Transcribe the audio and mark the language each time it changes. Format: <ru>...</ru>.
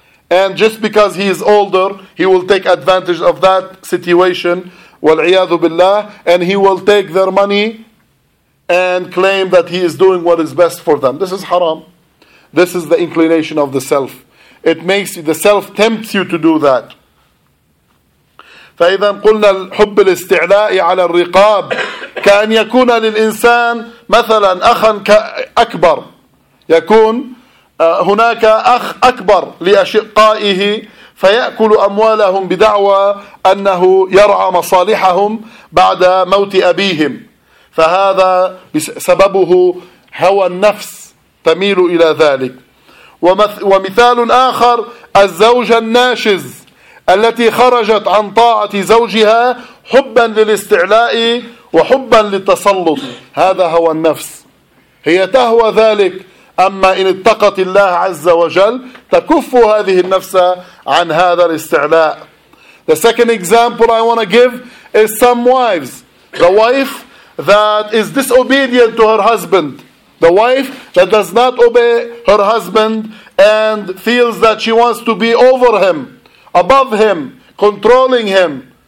<en>And just because he is older, he will take advantage of that situation,</en> <ar>وَالْعِيَاذُ بِاللَّهِ</ar> <en>And he will take their money and claim that he is doing what is best for them. This is haram. This is the inclination of the self. It makes the self tempts you to do that.</en> <ar>فَإِذَا قُلْنَا الْحُبِّ الْإِسْتِعْلَاءِ عَلَى الرِّقَابِ كَأَنْ يَكُونَ لِلْإِنسَانِ مَثَلًا أَخًا كَأَكْبَرِ يَكُونَ هناك أخ أكبر لأشقائه فيأكل أموالهم بدعوى أنه يرعى مصالحهم بعد موت أبيهم فهذا سببه هوى النفس تميل إلى ذلك ومثال آخر الزوجة الناشز التي خرجت عن طاعة زوجها حبا للاستعلاء وحبا للتسلط هذا هوى النفس هي تهوى ذلك أما إن اتقت الله عز وجل تكف هذه النفس عن هذا الاستعلاء.</ar> <en>The second example I want to give is some wives. The wife that is disobedient to her husband. The wife that does not obey her husband and feels that she wants to be over him, above him, controlling him.</en>